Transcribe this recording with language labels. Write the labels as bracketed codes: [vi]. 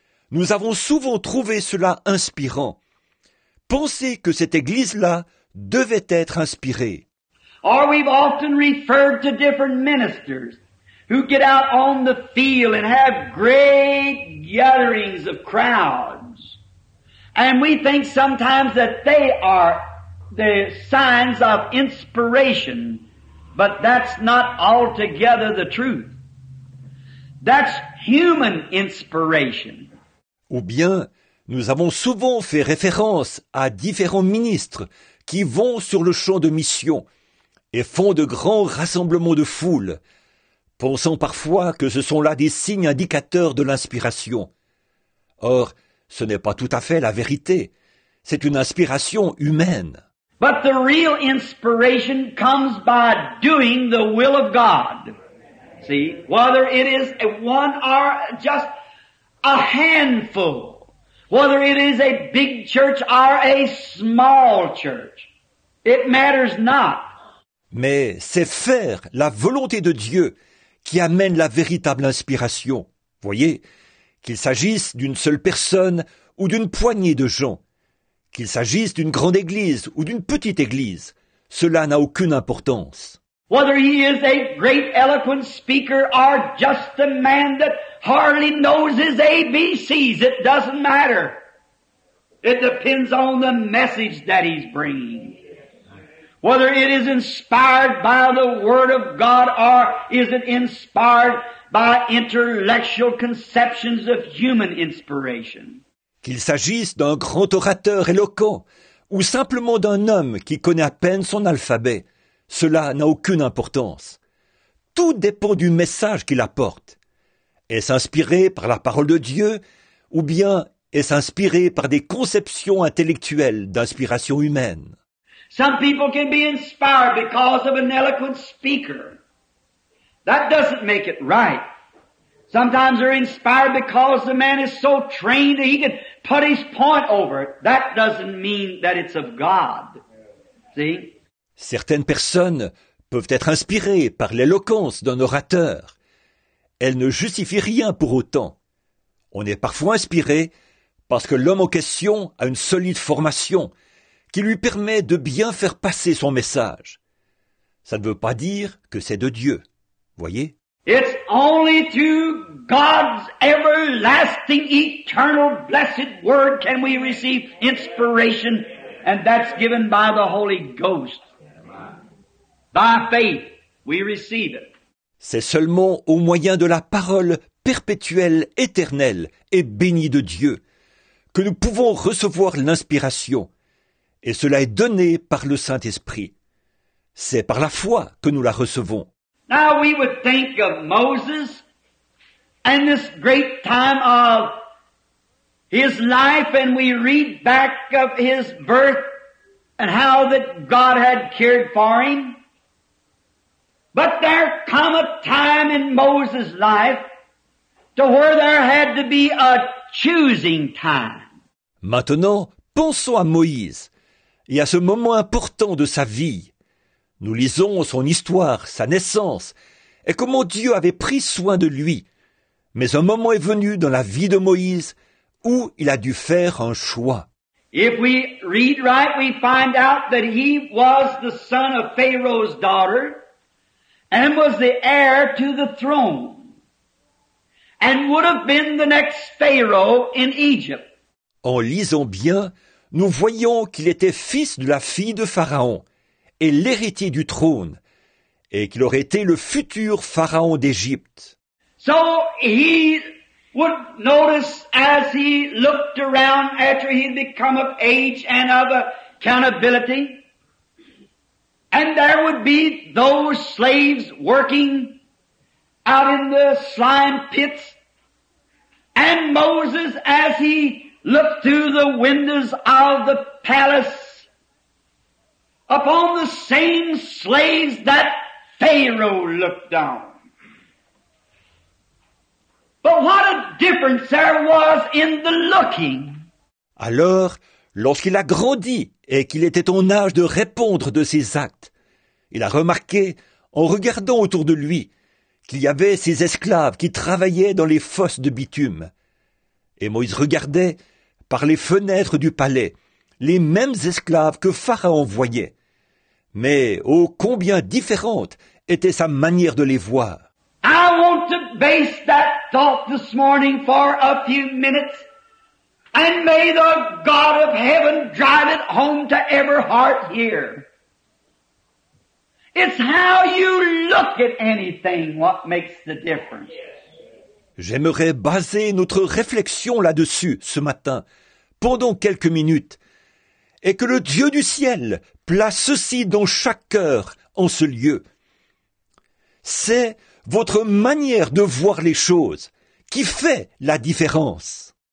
[fr] Nous avons souvent trouvé cela inspirant. Pensez que cette église-là devait être inspirée. [en] Or we've often referred to different ministers who get out on the field and have great gatherings of crowds. And we think sometimes that they are the signs of inspiration, but that's not altogether the truth. That's human inspiration. [fr] Ou bien, nous avons souvent fait référence à différents ministres qui vont sur le champ de mission et font de grands rassemblements de foule, pensant parfois que ce sont là des signes indicateurs de l'inspiration. Or, ce n'est pas tout à fait la vérité. C'est une inspiration humaine. [en] But the real inspiration comes by doing the will of God. See, whether it is one or just a handful, whether it is a big church or a small church, it matters not. [fr] Mais c'est faire la volonté de Dieu qui amène la véritable inspiration. Voyez, qu'il s'agisse d'une seule personne ou d'une poignée de gens, qu'il s'agisse d'une grande église ou d'une petite église, cela n'a aucune importance. [en] Whether he is a great eloquent speaker or just a man that hardly knows his ABCs, it doesn't matter. It depends on the message that he's bringing. Whether it is inspired by the Word of God or is it inspired by intellectual conceptions of human inspiration. [fr] Qu'il s'agisse d'un grand orateur éloquent ou simplement d'un homme qui connaît à peine son alphabet, cela n'a aucune importance. Tout dépend du message qu'il apporte. Est-ce inspiré par la parole de Dieu ou bien est-ce inspiré par des conceptions intellectuelles d'inspiration humaine? [en] Some people can be inspired because of an eloquent speaker. That doesn't make it right. Sometimes they're inspired because the man is so trained that he can put his point over it. That doesn't mean that it's of God. See? [fr] Certaines personnes peuvent être inspirées par l'éloquence d'un orateur. Elles ne justifient rien pour autant. On est parfois inspiré parce que l'homme en question a une solide formation qui lui permet de bien faire passer son message. Ça ne veut pas dire que c'est de Dieu. Voyez? [en] It's only through God's everlasting, eternal, blessed word can we receive inspiration, and that's given by the Holy Ghost. By faith, we receive it. [fr] C'est seulement au moyen de la parole perpétuelle, éternelle et bénie de Dieu que nous pouvons recevoir l'inspiration, et cela est donné par le Saint-Esprit. C'est par la foi que nous la recevons. [en] Now we would think of Moses and this great time of his life, and we read back of his birth and how that God had cared for him. But there come a time in Moses' life to where there had to be a choosing time. [fr] Maintenant, pensons à Moïse et à ce moment important de sa vie. Nous lisons son histoire, sa naissance, et comment Dieu avait pris soin de lui. Mais un moment est venu dans la vie de Moïse où il a dû faire un choix. [en] If we read right, we find out that he was the son of Pharaoh's daughter and was the heir to the throne and would have been the next Pharaoh in Egypt. [fr] En lisant bien, nous voyons qu'il était fils de la fille de Pharaon et l'héritier du trône et qu'il aurait été le futur Pharaon d'Égypte. [en] So he would notice as he looked around after he'd become of age and of accountability, and there would be those slaves working out in the slime pits, and Moses as he looked through the windows of the palace upon the same slaves that Pharaoh looked on. But what a difference there was in the looking. [fr] Alors, lorsqu'il a grandi et qu'il était en âge de répondre de ses actes, il a remarqué, en regardant autour de lui, qu'il y avait ses esclaves qui travaillaient dans les fosses de bitume. Et Moïse regardait, par les fenêtres du palais, les mêmes esclaves que Pharaon voyait. Mais ô combien différente était sa manière de les voir. [en] I want to base that thought this morning for a few minutes, and may the God of heaven drive it home to every heart here. It's how you look at anything what makes the difference. [fr] J'aimerais baser notre réflexion là-dessus ce matin, pendant quelques minutes, et que le Dieu du ciel place ceci dans chaque cœur en ce lieu. C'est votre manière de voir les choses qui fait la différence.